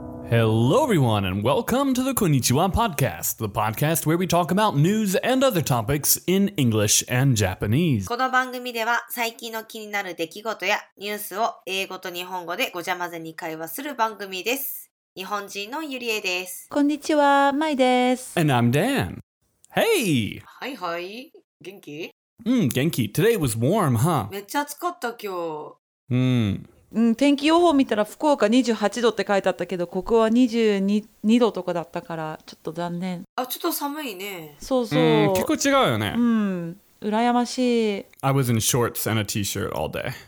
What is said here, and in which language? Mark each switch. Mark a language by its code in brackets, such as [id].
[en] Hello everyone and welcome to the Konnichiwa Podcast, the podcast where we talk about news and other topics in English and Japanese. [ja] この番組では最近の気になる出来事やニュースを英語と日本語でごちゃ混ぜに会話する番組です。日本人のゆりえです。こんにちは、まいです。 [en] And I'm Dan. Hey! [ja] はいはい。元気？ [en] Genki. Today was warm, huh? [ja] めっちゃ暑かった今日。天気予報見たら福岡28度って書いてあったけど、ここは22度とかだったからちょっと残念。あ、ちょっと寒いね。そうそう。結構違うよね。羨ましい。 [en] I was in shorts and a t-shirt all day.